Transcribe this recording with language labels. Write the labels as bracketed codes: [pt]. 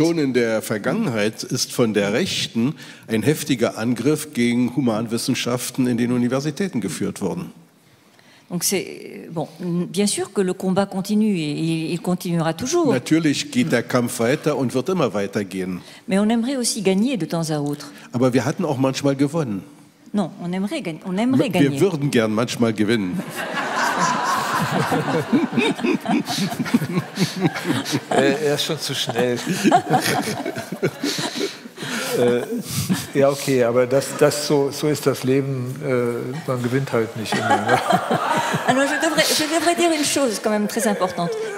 [de] Schon in der Vergangenheit ist von der Rechten ein heftiger Angriff gegen Humanwissenschaften in den Universitäten geführt worden. [fr] Donc c'est bon, bien sûr que le combat continue et il continuera toujours. [de] Natürlich geht der Kampf weiter und wird immer weitergehen. [fr] Mais on aimerait aussi gagner de temps à autre. [de] Aber wir hatten auch manchmal gewonnen. [fr] Non, on aimerait [de] wir [fr] gagner. [de] Wir würden gern manchmal gewinnen. Er ist schon zu schnell. Ja, okay, aber das so ist das Leben, man gewinnt halt nicht immer. [fr] Alors je devrais dire une chose quand même très importante.